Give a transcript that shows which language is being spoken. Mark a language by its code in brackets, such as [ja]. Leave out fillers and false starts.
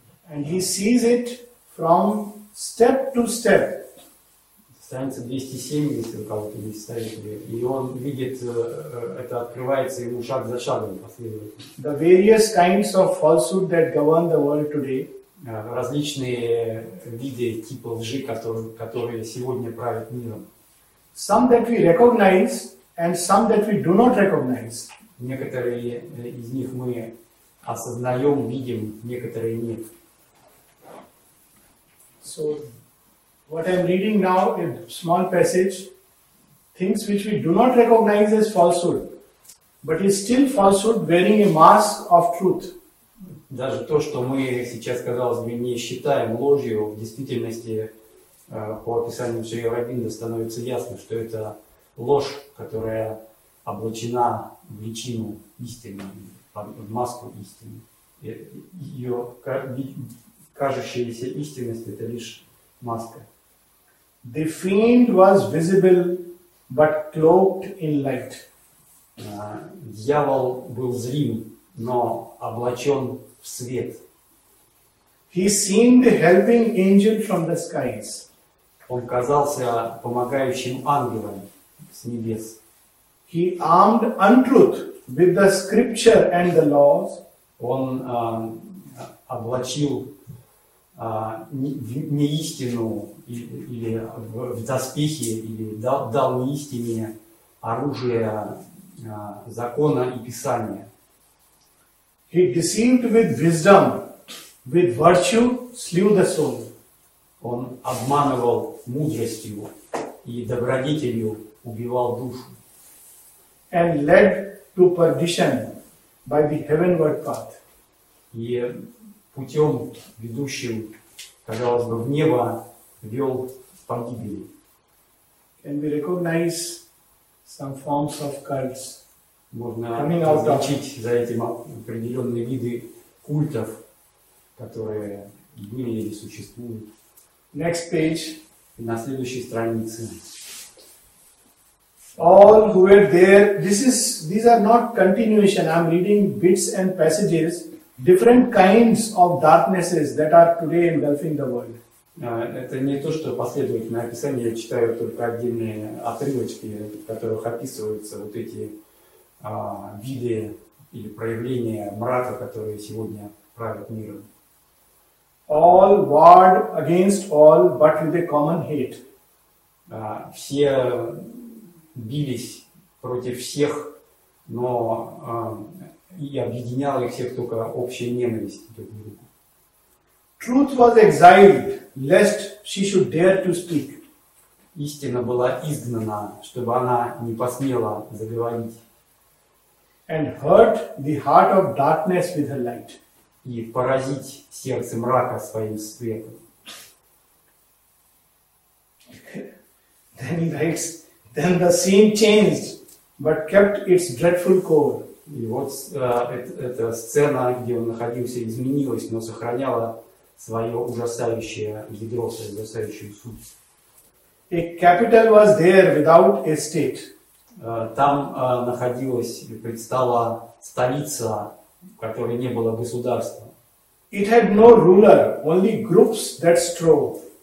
[en] And he sees it from step to step. [ru] Станется 207, если у кого-то не ставили. И он видит, это открывается ему шаг за шагом последовательно. [en] The various kinds of falsehood that govern the world today. [ru] Различные виды, типа лжи, которые сегодня правят миром. [en] Some that we recognize and some that we do not recognize. [ru] Некоторые из них мы осознаем, видим, некоторые нет. [en] So, what I'm reading now, a small passage, things which we do not recognize as falsehood, but is still falsehood wearing a mask of truth. [ru] Даже то, что мы сейчас, казалось бы, не считаем ложью, в действительности, по описанию Шри Аурабинда, становится ясно, что это ложь, которая облачена в личину истины, в маску истины. ее кажущаяся истинность — это лишь маска. [en] The fiend was visible, but cloaked in light. [ru] Дьявол был зрим, но облачен в свет. [en] He seemed helping angel from the skies. [ru] Он казался помогающим ангелом с небес. [en] He armed untruth with the scripture and the laws. [ru] Он облачил неистину или в доспехи, или дал неистине оружие закона и писания. [en] He deceived with wisdom, with virtue slew the soul. [ru] Он обманывал мудростью и добродетелью убивал душу. [en] And led to perdition by the heavenward path. [ru] И путем, ведущим, казалось бы, в небо, вел к погибели. [en] Can we recognize some forms of cults? [ru] Можно отличить за этим определенные виды культов, которые были или существуют. [en] Next page. [ru] И на следующей странице. [en] All who were there, these are not continuation. I'm reading bits and passages. Different kinds of darknesses that are today engulfing the world. [ru] Это не то, что последовательное описание. Я читаю только отдельные отрывочки, в которых описываются вот эти виды или проявления мрака, которые сегодня правят миром. [en] All warred against all, but with a common hate. [ru] Все бились против всех, но и объединял их всех только общая ненависть друг к другу. [en] Truth was exiled, lest she should dare to speak. [ru] Истина была изгнана, чтобы она не посмела заговорить. [en] And hurt the heart of darkness with her light. [ru] И поразить сердце мрака своим светом. [en] Then he writes, then the scene changed, but kept its dreadful core. [ru] И вот эта сцена, где он находился, изменилась, но сохраняла свое ужасающее ядро, свою ужасающую суть. [en] A capital was there without a state. [ru] Там находилась и предстала столица, в которой не было государства. [en] It had no ruler, only groups that strove.